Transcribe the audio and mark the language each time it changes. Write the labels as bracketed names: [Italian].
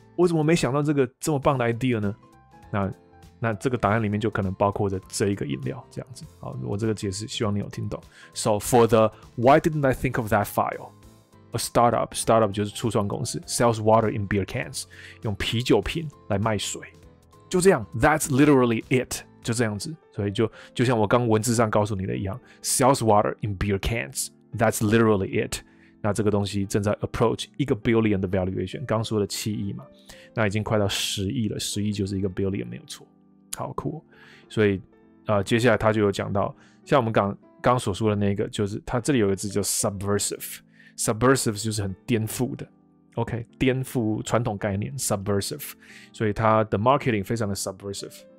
[Chinese] 我怎么没想到这个这么棒的 idea 呢？那这个答案里面就可能包括着这一个饮料这样子。好，我这个解释希望你有听懂。 [English] So for the why didn't I think of that file? A startup [Chinese] 就是初创公司 [English] sells water in beer cans， [Chinese] 用啤酒瓶来卖水。就这样 ， [English] That's literally it， [Chinese] 就这样子。所以就像我刚文字上告诉你的一样 ， [English] sells water in beer cans， That's literally it。 [Chinese] 那这个东西正在 approach 一个 billion 的 valuation， 刚说的七亿嘛，那已经快到十亿了，十亿就是一个 billion 没有错，好酷、哦。所以接下来他就有讲到，像我们刚所说的那个，就是他这里有一个字叫 subversive， 就是很颠覆的 ，OK， 颠覆传统概念 subversive， 所以他的 marketing 非常的 subversive。